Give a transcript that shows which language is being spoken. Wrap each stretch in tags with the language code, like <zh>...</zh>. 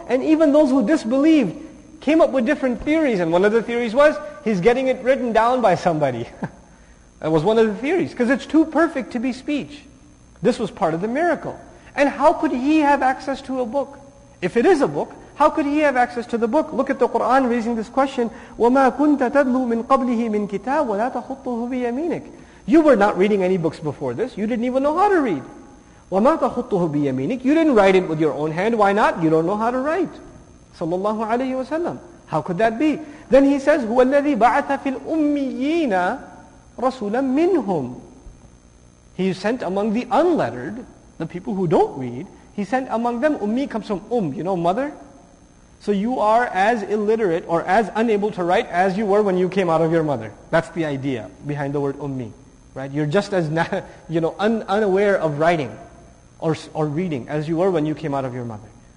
<en>And even those who disbelieved came up with different theories, and one of the theories was, he's getting it written down by somebody. That was one of the theories, because it's too perfect to be speech. This was part of the miracle. And how could he have access to a book? If it is a book, how could he have access to the book? Look at the Qur'an raising this question,</en> <ar>وَمَا كُنْتَ تَدْلُو مِنْ قَبْلِهِ مِنْ كِتَابٍ وَلَا تَخُطُّهُ بِيَمِينِكَ.</ar> <en>You were not reading any books before this. You didn't even know how to read.</en> <ar>وَمَا تَخُطُّهُ بِيَمِينِكَ.</ar> <en>You didn't write it with your own hand. Why not? You don't know how to write.</en> <ar>صلى الله عليه وسلم.</ar> <en>How could that be? Then he says,</en> <ar>هُوَ الَّذِي بَعَثَ فِي الْأُمِّيِّينَ رَسُولًا مِّنْهُمْ.</ar> <en>He sent among the unlettered, the people who don't read, he sent among them, ummi comes from you know, mother. So you are as illiterate or as unable to write as you were when you came out of your mother. That's the idea behind the word ummi. Right? You're just as, you know, unaware of writing or reading as you were when you came out of your mother.</en>